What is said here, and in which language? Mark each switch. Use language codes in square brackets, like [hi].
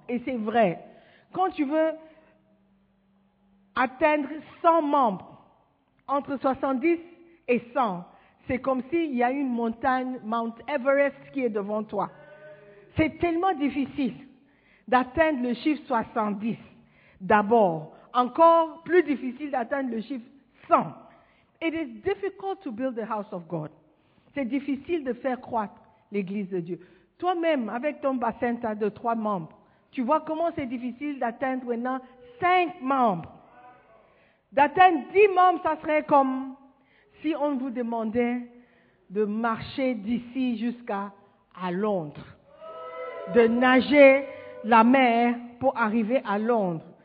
[fr] Et c'est vrai, quand tu veux atteindre 100 membres, entre 70 et 100, c'est comme s'il y a une montagne, Mount Everest, qui est devant toi. C'est tellement difficile d'atteindre le chiffre 70 d'abord. Encore plus difficile d'atteindre le chiffre 100. [en] It is difficult to build the house of God. [fr] C'est difficile de faire croître l'église de Dieu. Toi-même, avec ton bassin de 3 membres, tu vois comment c'est difficile d'atteindre maintenant 5 membres. d'atteindre 10 membres, ça serait comme si on vous demandait de marcher d'ici jusqu'à à Londres, de nager la mer pour arriver à Londres.